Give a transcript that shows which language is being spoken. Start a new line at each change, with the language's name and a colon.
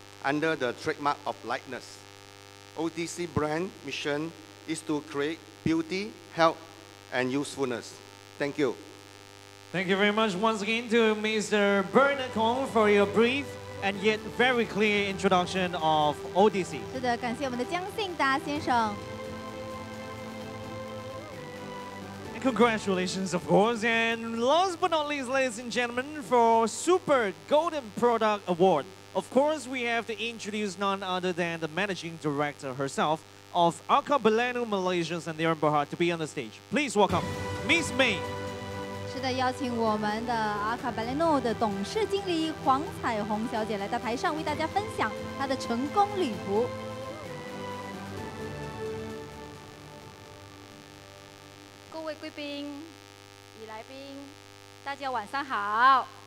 English: under the trademark of lightness. ODC brand mission is to create beauty, health, and usefulness. Thank you. Thank you very much once again to Mr. Bernard Kong for your brief and yet very clear introduction of ODC.
Chinese: 是的，感谢我们的江信达先生。
English: And congratulations, of course. And last but not least, ladies and gentlemen, for Super Golden Product Award. Of course, we have to introduce none other than the managing director herself of Arca Belenu Malaysians and Aaron Berhad to be on the stage. Please welcome Miss May.
Chinese: 是的，邀请我们的阿卡贝雷诺的董事经理黄彩虹小姐来到台上，为大家分享她的成功旅途。各位贵宾、与来宾，大家晚上好。